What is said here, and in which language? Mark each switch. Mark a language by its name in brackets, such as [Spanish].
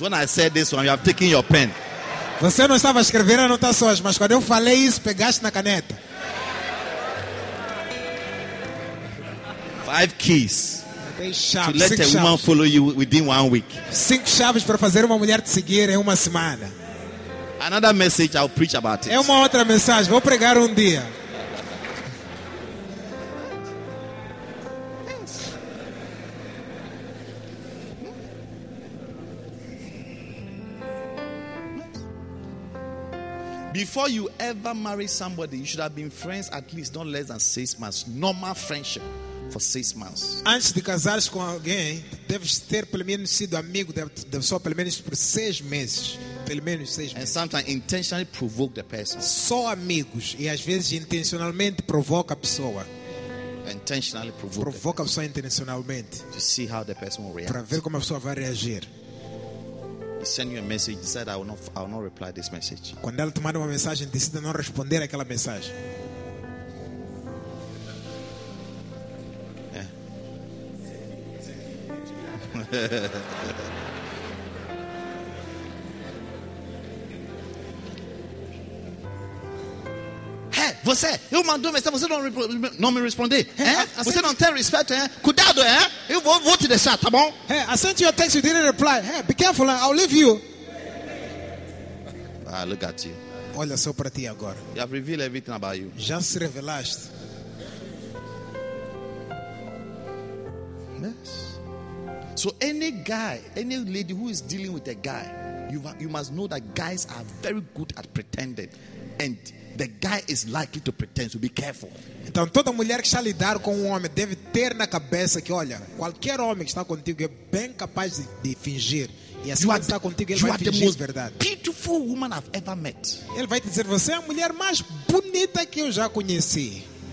[English] When I said this one, you have taken your pen. [Portuguese] Você não estava a escrever anotações, mas quando eu falei isso, pegaste na caneta. [English] 5 keys. [Portuguese] Chaves, [English] to let a woman [Portuguese] chaves. [English] Follow you within 1 week. [Portuguese] 5 chaves para fazer uma mulher te seguir em uma semana. [English] Another message I'll preach about it. [Portuguese] É uma outra mensagem, vou pregar dia. [English] Yes. Before you ever marry somebody, you should have been friends at least not less than 6 months. Normal friendship. For 6 months. [Portuguese] Antes de casares com alguém, deves ter pelo menos sido amigo da pessoa pelo menos por 6 meses. Pelo menos 6 meses. [English] And sometimes intentionally provoke the person. [Portuguese] Só amigos e às vezes intencionalmente provoca a pessoa. [English] Intentionally provoke. [Portuguese] Provoca a pessoa intencionalmente. [English] To see how the person will react. [Portuguese] Para ver como a pessoa vai reagir. [English] He sent you a message. He said, I will not reply this message. [Portuguese] Quando ela te manda uma mensagem, decida não responder aquela mensagem. [English] Hey, [Portuguese] Você, eu mando um mensagem, você não me responde. Você não tem respeito, cuidado, Eu vou te deixar, tá bom? [English] I sent you a text, you didn't reply. Be careful, I'll leave you. I look at you. [Portuguese] Olha só para ti agora. [English] You have revealed everything about you. [Portuguese] Já se revelaste. [English] Yes. So any guy, any lady who is dealing with a guy, you must know that guys are very good at pretending, and the guy is likely to pretend. So be careful. [Portuguese] Então toda mulher que está a lidar com homem deve ter na cabeça que olha, qualquer homem que está contigo é bem capaz de fingir. [English] Yes, you are, [Portuguese] está contigo, [English] you are the most [Portuguese] verdade. [English] Beautiful woman I've ever met. [Portuguese] Ele vai dizer, você é a mulher mais bonita que eu já conheci.